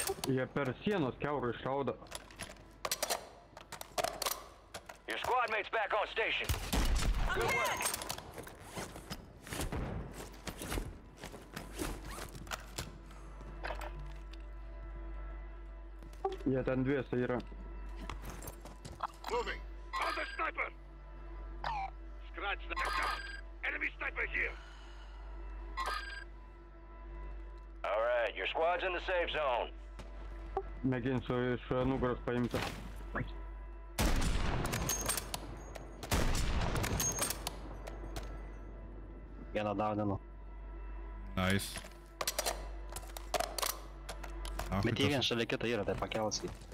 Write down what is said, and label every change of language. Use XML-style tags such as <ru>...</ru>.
<lt>Jie per sienos keurą iššaudo.</lt> <en>Your squad mate's back on station. Good work.</en> <lt>Jie ten dviese yra.</lt> <en>Moving. On the sniper. Scratch the account. Enemy sniper here. All right, your squad's in the safe zone.</en> <lt>Mėginsiu iš nugaros paimti. Vieną dauninu.</lt> <en>Nice.</en> <lt>Ah, bet jį vien šalia kitą yra, tai pakelsi.</lt>